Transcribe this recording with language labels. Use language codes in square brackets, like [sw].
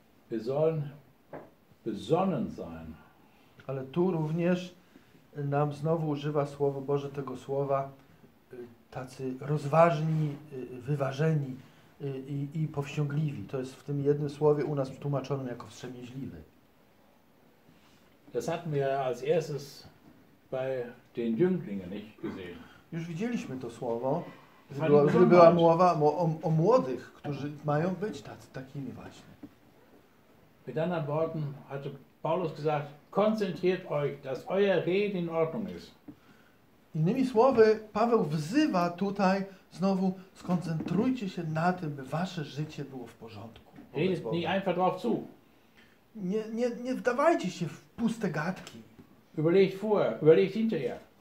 [de] Wir sollen besonnen sein. [pl] Ale tu również nam znowu używa Słowo Boże tego słowa tacy rozważni, wyważeni i powściągliwi. To jest w tym jednym słowie u nas tłumaczone jako wstrzemięźliwy. [de] Das hatten wir als erstes bei den Jünglingen nicht gesehen. [pl] Już widzieliśmy to słowo, gdy była mowa o młodych, którzy mają być takimi właśnie. [de] Mit anderen Worten hatte Paulus gesagt, konzentriert euch, dass euer Reden in Ordnung ist. [pl] Innymi słowy, Paweł wzywa tutaj znowu, skoncentrujcie się na tym, by wasze życie było w porządku. [de] Nicht einfach drauf zu. [pl] Nie wdawajcie się w puste gadki. [de] Überlegt vorher, überlegt hinterher.